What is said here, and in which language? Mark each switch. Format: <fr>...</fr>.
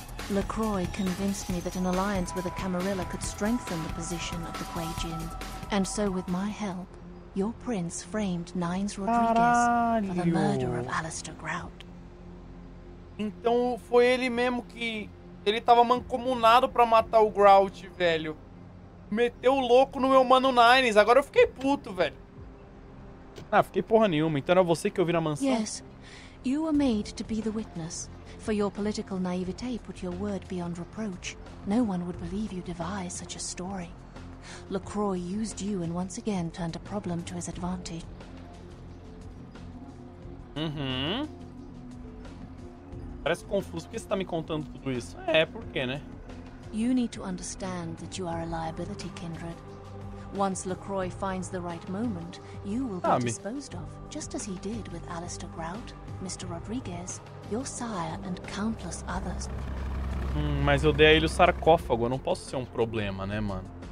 <en>LaCroix convinced me that an alliance with a Camarilla could strengthen the position of the Quajin. And so with my help, your prince framed Nines Rodriguez for the murder of Alistair Grout.</en> <pt>Então foi ele mesmo que ele tava mancomunado pra matar o Grout, velho. Meteu o louco no meu mano Nines. Agora eu fiquei puto, velho. Ah, fiquei porra nenhuma. Então era você que eu vi na mansão?</pt> <en>Yes. You were made to be the witness. For your political naivete put your word beyond reproach. No one would believe you devised such a story. LaCroix used you and once again turned a problem to his advantage. Uhum.</en> <pt>Parece confuso. Por que você tá me contando tudo isso? É, por quê, né?</pt> <en>You need to understand that you are a liability, Kindred. Once LaCroix finds the right moment, you will be disposed of, just as he did with Alistair Grout, Mr. Rodriguez, your sire, and countless others.</en> <pt>Mas eu dei a ele o sarcófago, eu não posso ser um problema, né, mano?</pt>